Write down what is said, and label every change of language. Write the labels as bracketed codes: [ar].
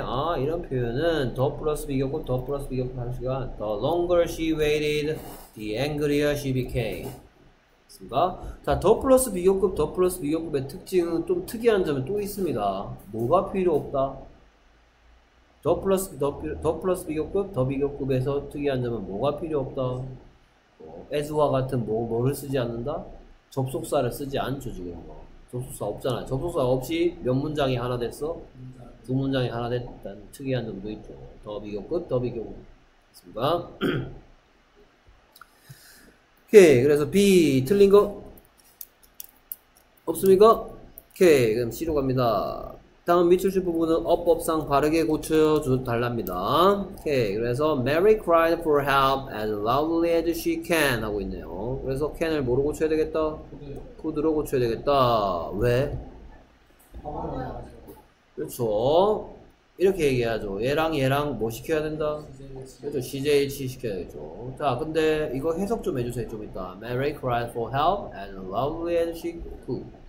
[ko] 아, 이런 표현은 더 플러스 비교급, 더 플러스 비교급 하는 시간. [en] The longer she waited, the angrier she became. [ko] 맞습니다. 자, 더 플러스 비교급, 더 플러스 비교급의 특징은 좀 특이한 점이 또 있습니다. 뭐가 필요 없다? 더 플러스 비교급, 더 비교급에서 특이한 점은 뭐가 필요 없다? as와 같은 뭐를 쓰지 않는다? 접속사를 쓰지 않죠, 지금. 접속사 없잖아. 접속사 없이 몇 문장이 하나 됐어? 두 문장이 하나 됐다는 특이한 점도 있죠. 더 비교급, 더 비교급. 됐습니까? 오케이. 그래서 B, 틀린 거? 없습니까? 오케이. 그럼 C로 갑니다. 다음 미출신 부분은 어법상 바르게 고쳐주 달랍니다. 오케이. 그래서 [en] Mary cried for help as loudly as she can [ko] 하고 있네요. 그래서 can을 뭐로 고쳐야 되겠다? could로 고쳐야 되겠다. 왜? 그렇죠. 이렇게 얘기해야죠. 얘랑 뭐 시켜야 된다? 그렇죠. 시제일치 시켜야겠죠. 자, 근데 이거 해석 좀 해주세요. 좀 이따. [en] Mary cried for help as loudly as she could.